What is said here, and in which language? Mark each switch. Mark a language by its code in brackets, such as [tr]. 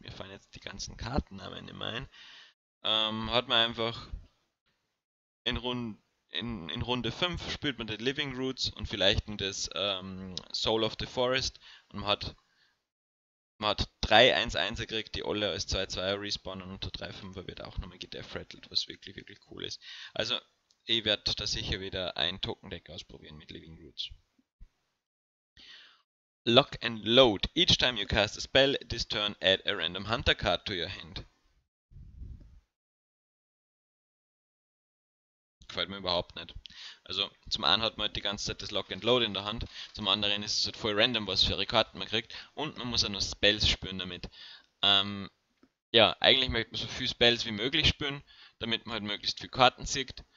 [de] Mir fallen jetzt die ganzen Kartennamen nicht mehr ein. Hat man einfach in Runde 5 spielt man den Living Roots und vielleicht in das Soul of the Forest. Und man hat 3 1-1er gekriegt, die alle als 2-2er respawnen und der 3-5er wird auch nochmal gedeathrattled, was wirklich, wirklich cool ist. Also, ich werde da sicher wieder ein Token-Deck ausprobieren mit Living Roots. [en] Lock and load. Each time you cast a spell, this turn add a random Hunter card to your hand. [de] Gefällt mir überhaupt nicht. Also, zum einen hat man halt die ganze Zeit das Lock and Load in der Hand, zum anderen ist es halt voll random, was für Karten man kriegt, und man muss auch noch Spells spüren damit. Ja, eigentlich möchte man so viele Spells wie möglich spüren, damit man halt möglichst viele Karten zieht.